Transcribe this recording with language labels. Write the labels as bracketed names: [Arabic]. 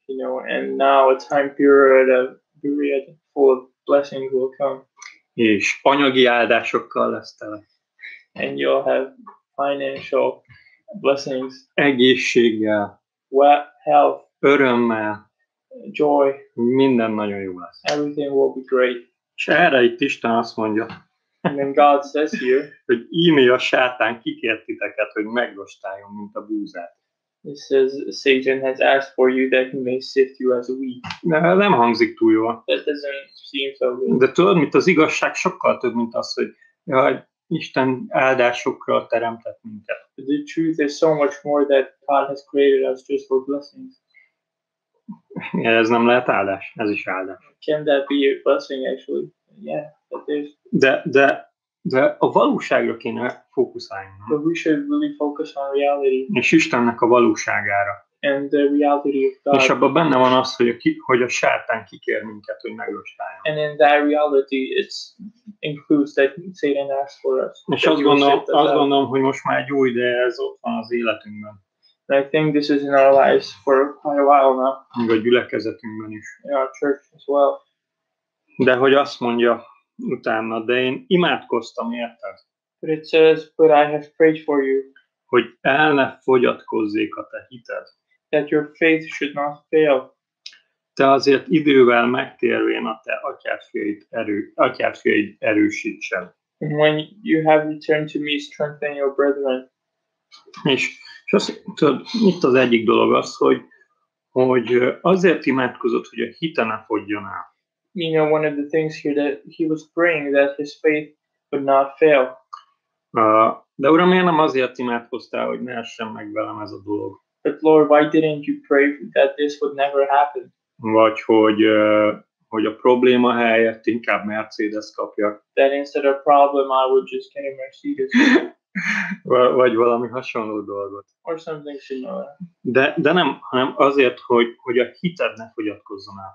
[English] You know, and now a time period, full of blessings will come. [Hungarian] És anyagi áldásokkal lesz tele. [English] And you'll have financial blessings. [Hungarian] Egészséggel. [English] Well, health. [Hungarian] Örömmel. [English] Joy. [Hungarian] Minden nagyon jó lesz. [English] Everything will be great. [Hungarian] És erre itt Isten azt mondja. [English] And then God says here, [Hungarian] hogy íme a sátán kikért titeket, hogy meglostáljon, mint a búzát. [English] It says Satan has asked for you that he may sift you as a wheat. [Hungarian] De nem hangzik túl jól. [English] That doesn't seem so good. [Hungarian] De tudod, mint az igazság sokkal több, mint az, hogy jaj, Isten áldásokra teremtett minket. [English] But the truth is so much more that God has created us just for blessings. [Hungarian] Ez nem lehet áldás, ez is áldás. [English] Can that be a blessing actually? Yeah, but there's... [Hungarian] De a valóságra kéne fókuszálni. [English] But we should really focus on reality. [Hungarian] És Istennek a valóságára. [English] And the reality of God. [Hungarian] És abban benne van az, hogy a sátán kikér minket, hogy megrostáljon. [English] And in that reality it includes that Satan asks for us. [Hungarian] És azt gondolom, hogy most már egy új ideje ez ott van az életünkben. [English] I think this is in our lives for quite a while now. [Hungarian] Még a gyülekezetünkben is. [English] In our church as well. [Hungarian] De hogy azt mondja utána, de én imádkoztam érted. [English] But it says, but I have prayed for you. [Hungarian] Hogy el ne fogyatkozzék a te hited. [English] That your faith should not fail. [Hungarian] Te azért idővel megtérvén a te atyádfiaid erősítsen. [English] When you have returned to me, strengthen your brethren. [Hungarian] És azt tudod, itt az egyik dolog az, hogy azért imádkozott, hogy a hite ne fogjon el. [English] You know, one of the things here that he was praying that his faith would not fail. [Hungarian] De Uram, miért nem azért imádkoztál, hogy ne essen meg velem ez a dolog? [English] But Lord, why didn't you pray that this would never happen? [Hungarian] Vagy hogy a probléma helyett inkább Mercedes kapjak. [English] That instead of problem, I would just get a Mercedes. [Hungarian] Vagy valami hasonló dolgot. [English] Or something similar. [Hungarian] De nem, hanem azért, hogy a hited ne fogyatkozzon el.